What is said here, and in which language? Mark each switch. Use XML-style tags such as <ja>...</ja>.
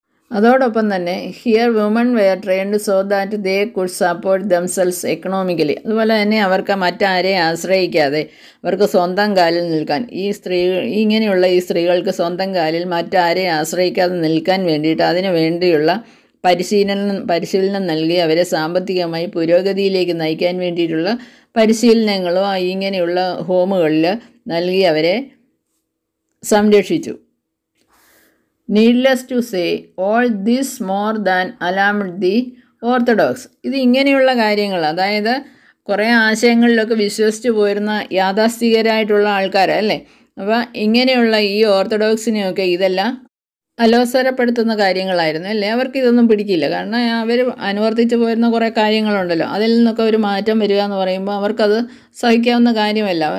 <ml>അതോടൊപ്പം തന്നെ</ml> <en>here woman were trained so that they could support themselves economically,</en> <ml>അതുപോലെ തന്നെ അവർക്ക് മറ്റാരെ ആശ്രയിക്കാതെ അവർക്ക് സ്വന്തം കാലിൽ നിൽക്കാൻ, ഈ സ്ത്രീ ഇങ്ങനെയുള്ള ഈ സ്ത്രീകൾക്ക് സ്വന്തം കാലിൽ മറ്റാരെ ആശ്രയിക്കാതെ നിൽക്കാൻ വേണ്ടിയിട്ട് അതിനു വേണ്ടിയുള്ള പരിശീലനം നൽകി അവരെ സാമ്പത്തികമായി പുരോഗതിയിലേക്ക് നയിക്കാൻ വേണ്ടിയിട്ടുള്ള പരിശീലനങ്ങളും ഇങ്ങനെയുള്ള ഹോമുകളിൽ നൽകി അവരെ സംരക്ഷിച്ചു.</ml> <en>Needless to say, all this more than alarmed the Orthodox.</en> <ml>ഇത് ഇങ്ങനെയുള്ള കാര്യങ്ങൾ, അതായത് കുറേ ആശയങ്ങളിലൊക്കെ വിശ്വസിച്ചു പോയിരുന്ന യാഥാസ്ഥിതികരായിട്ടുള്ള ആൾക്കാരല്ലേ. അപ്പോൾ ഇങ്ങനെയുള്ള ഈ ഓർത്തഡോക്സിനെയൊക്കെ ഇതെല്ലാം അലോസരപ്പെടുത്തുന്ന കാര്യങ്ങളായിരുന്നു അല്ലേ. അവർക്ക് ഇതൊന്നും പിടിക്കില്ല, കാരണം അവർ അനുവർത്തിച്ചു പോയിരുന്ന കുറേ കാര്യങ്ങളുണ്ടല്ലോ, അതിൽ നിന്നൊക്കെ ഒരു മാറ്റം വരിക എന്ന് പറയുമ്പോൾ അവർക്കത് സഹിക്കാവുന്ന കാര്യമല്ല.</ml>